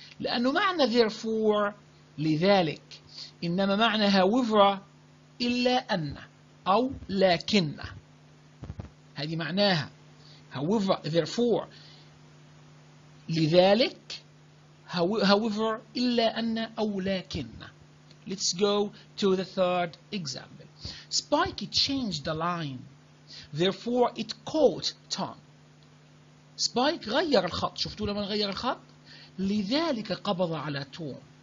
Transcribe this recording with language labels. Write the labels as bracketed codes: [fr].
[ar] لأنه معنى therefore لذلك, إنما معنى however إلا أن أو لكن, هذه معناها however therefore لذلك, however إلا أن أو لكن. [en] Let's go to the third example. Spike changed the line, therefore it caught Tom. [ar] Spike غير الخط, شفتوا لما غير الخط, لذلك قبض على توم.